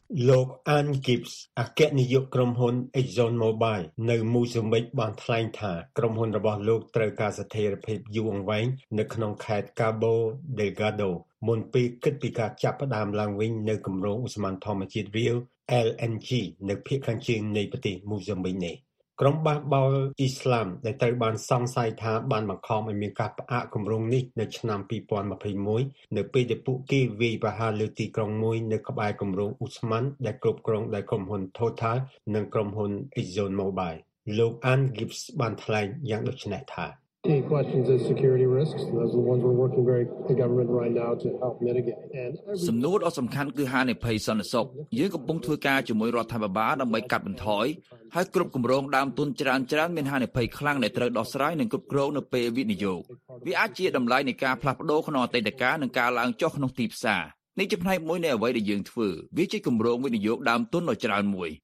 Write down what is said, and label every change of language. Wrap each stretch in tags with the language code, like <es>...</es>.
<km>លោក Ann Gibbs អគ្គនាយកក្រុមហ៊ុន Exxon Mobil នៅមូសាំបិកបានថ្លែងថាក្រុមហ៊ុនរបស់លោកត្រូវការស្ថិរភាពយូរអង្វែងនៅក្នុងខេត្ត Cabo Delgado មុនពេលគិតពីការចាប់ផ្ដើមឡើងវិញនៅគម្រោងឧស្ម័នធម្មជាតិ Rio LNG នៅភាគខាងជើងនៃប្រទេសមូសាំបិកនេះក្រុមបះបោរអ៊ីស្លាមដែលត្រូវបានសង្ស័យថាបានបង្ខំឲ្យមានការផ្អាកគម្រោងនេះនៅឆ្នាំ 2021នៅពេលដែលពួកគេវាយប្រហារលើទីក្រុងមួយនៅក្បែរគម្រោងអ៊ូស្មាន់ដែលគ្រប់គ្រងដោយក្រុមហ៊ុន Total និងក្រុមហ៊ុន Exxon Mobil លោក Ann Gibbs បានថ្លែងយ៉ាងដូចនេះថា</km> <en>Key questions of security risks. Those are the ones we're working very the government right now to help mitigate.</en> <km>សំណួរដ៏សំខាន់គឺហានិភ័យសន្តិសុខយើងកំពុងធ្វើការជាមួយរដ្ឋាភិបាលដើម្បីកាត់បន្ថយហើយគ្រប់គម្រោងដើមទុនច្រើនច្រើនមានហានិភ័យខ្លាំងដែលត្រូវដោះស្រាយនិងគ្រប់គ្រងនៅពេលវិនិយោគវាអាចជាដំណ័យនៃការផ្លាស់ប្ដូរក្នុងអតីតកាលនិងការឡើងចុះក្នុងទីផ្សារនេះជាផ្នែកមួយនៃអ្វីដែលយើងធ្វើវាជាគម្រោងវិនិយោគដើមទុនដ៏ច្រើនមួយ</km>